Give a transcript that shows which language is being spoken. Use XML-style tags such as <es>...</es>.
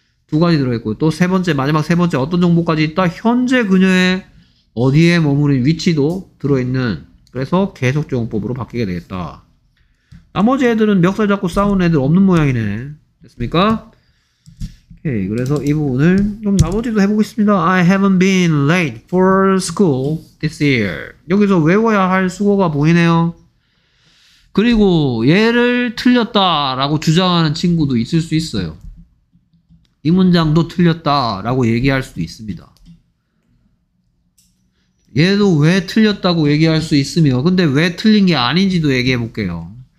<ko>두 가지 들어있고, 또 세 번째, 마지막 세 번째, 어떤 정보까지 있다? 현재 그녀의 어디에 머무는 위치도 들어있는, 그래서 계속 적용법으로 바뀌게 되겠다. 나머지 애들은 멱살 잡고 싸우는 애들 없는 모양이네. 됐습니까? 오케이. 그래서 이 부분을 좀 나머지도 해보겠습니다.</ko> <en>I haven't been late for school this year.</en> <ko>여기서 외워야 할 수고가 보이네요. 그리고 얘를 틀렸다라고 주장하는 친구도 있을 수 있어요. 이 문장도 틀렸다라고 얘기할 수도 있습니다. 얘도 왜 틀렸다고 얘기할 수 있으며, 근데 왜 틀린 게 아닌지도 얘기해 볼게요.</ko>